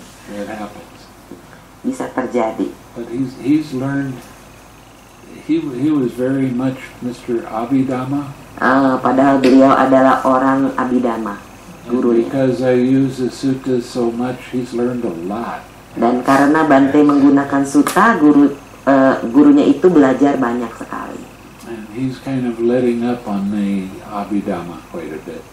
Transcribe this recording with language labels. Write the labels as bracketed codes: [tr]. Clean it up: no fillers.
[en] It happens. [id] Bisa terjadi. [en] But he's learned. He was very much Mr. Abhidhamma. [id] Padahal beliau adalah orang Abhidhamma, gurunya. [en] Because I use the sutta so much, he's learned a lot. [id] Dan karena Bante menggunakan sutta, gurunya itu belajar banyak sekali. [en] And he's kind of letting up on the Abhidhamma quite a bit.